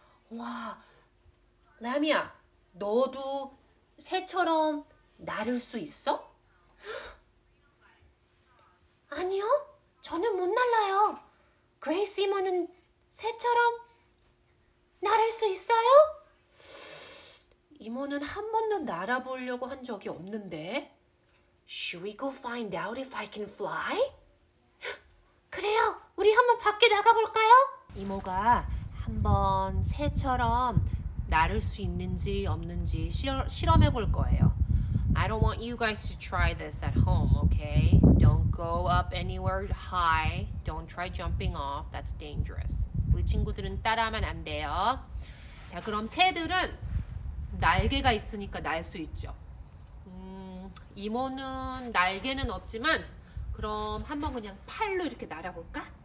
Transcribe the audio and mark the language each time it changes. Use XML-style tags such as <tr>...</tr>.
<ko>와, 라미야, 너도 새처럼 날을 수 있어? 아니요, 저는 못 날라요. 그레이시 이모는 새처럼 날을 수 있어요? 이모는 한 번도 날아보려고 한 적이 없는데.</ko> <en>Should we go find out if I can fly?</en> <ko>그래요. 우리 한번 밖에 나가볼까요? 이모가 한번 새처럼 날을 수 있는지 없는지 실험해 볼 거예요.</ko> <en>I don't want you guys to try this at home, okay? Don't go up anywhere high. Don't try jumping off. That's dangerous.</en> <ko>우리 친구들은 따라하면 안 돼요. 자, 그럼 새들은 날개가 있으니까 날 수 있죠. 이모는 날개는 없지만 그럼 한번 그냥 팔로 이렇게 날아볼까?</ko>